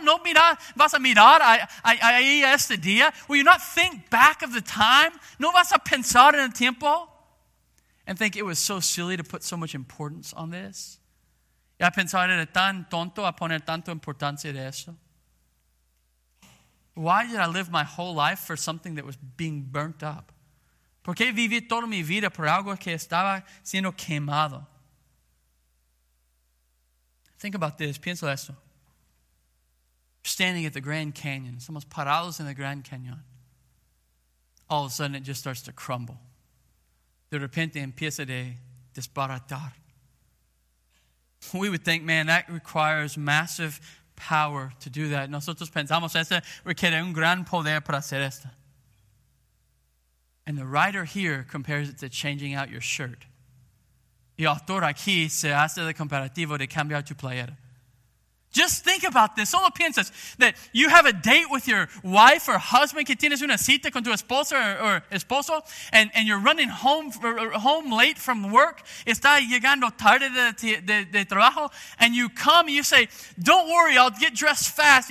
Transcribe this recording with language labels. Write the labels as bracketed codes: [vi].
[es] ¿No mirar, vas a mirar ahí a este día? [en] Will you not think back of the time? [es] ¿No vas a pensar en el tiempo? [en] And think it was so silly to put so much importance on this. [es] Y a pensar era tan tonto a poner tanto importancia de eso. [en] Why did I live my whole life for something that was being burnt up? [es] ¿Por qué viví toda mi vida por algo que estaba siendo quemado? [en] Think about this, [es] piensa esto. [en] Standing at the Grand Canyon, [es] somos parados en el Grand Canyon. [en] All of a sudden it just starts to crumble. [es] De repente empieza a desbaratar. [en] We would think, man, that requires massive power to do that. [es] Nosotros pensamos esto requiere un gran poder para hacer esto. [en] And the writer here compares it to changing out your shirt. [es] Y autor aquí se hace el comparativo de cambiar tu playera. [en] Just think about this. [es] Solo piensas [en] that you have a date with your wife or husband, [es] que tienes una cita con tu esposa or esposo, [en] and you're running home late from work, [es] está llegando tarde de trabajo, [en] and you come and you say, don't worry, I'll get dressed fast.